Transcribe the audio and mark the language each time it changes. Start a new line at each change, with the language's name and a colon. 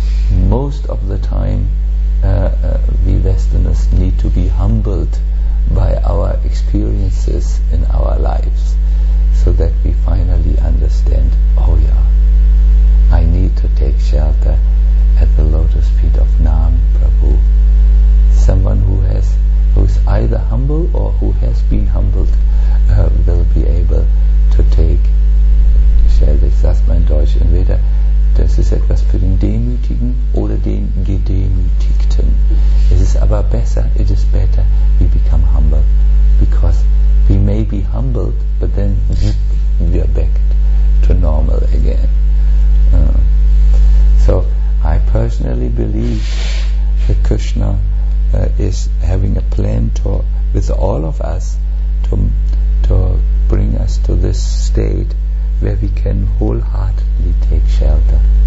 English: Most of the time we Westerners need to be humbled by our experiences in our lives so that we finally understand, oh yeah, I need to take shelter at the lotus feet of Naam Prabhu. Someone who is either humble or who has been humbled will be able to take shelter.
German: Ich sag's mal in Deutsch, entweder das ist etwas für den Demütigen oder den Gedemütigten. Es ist aber besser,
English: it is better, we become humble. Because we may be humbled, but then we are back to normal again. So, I personally believe that Krishna is having a plan with all of us to bring us to this state where we can wholeheartedly take shelter.